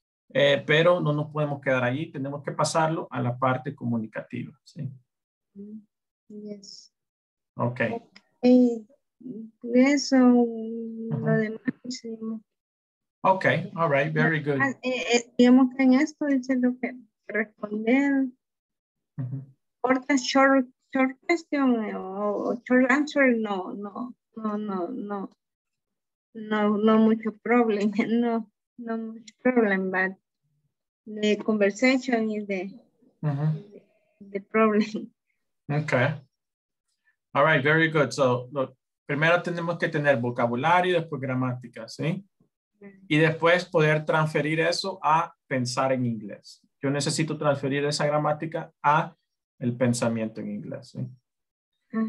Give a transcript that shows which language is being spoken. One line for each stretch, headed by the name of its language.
Spanish: Pero no nos podemos quedar allí, tenemos que pasarlo a la parte comunicativa, ¿sí?
English: Yes. Ok.
Spanish: Eso, lo demás, sí.
English: Ok, all right, very good.
Spanish: Digamos que en esto dice lo que responder. Uh-huh.
English: Corta, short question o short answer,
Spanish: no mucho
English: problem, but the conversation is the, uh-huh. the problem. Okay. All right, very good. So, look,
Spanish: primero tenemos que tener vocabulario, después gramática, ¿sí? Y después poder transferir eso a pensar en inglés. Yo necesito transferir esa gramática a el pensamiento en inglés, ¿sí? Ajá.